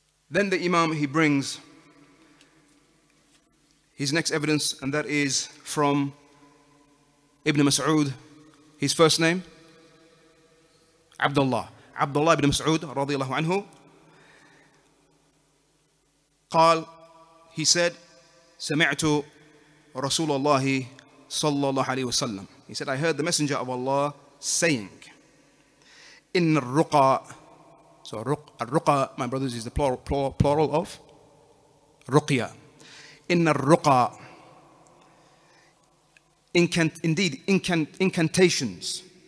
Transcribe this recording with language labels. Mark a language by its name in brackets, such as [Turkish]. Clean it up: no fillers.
[English] Then the Imam, he brings his next evidence, and that is from Ibn Mas'ud, his first name, Abdullah. Abdullah ibn Mas'ud, radiallahu anhu, [Arabic] قال, [English] he said, [Arabic] سمعت رسول الله صلى الله عليه وسلم. [English] He said, I heard the Messenger of Allah saying, [Arabic] إن الرقى. [English] So الرقى, my brothers, is the plural of رقيا. [Arabic] إن الرقى, [English] indeed, incantations.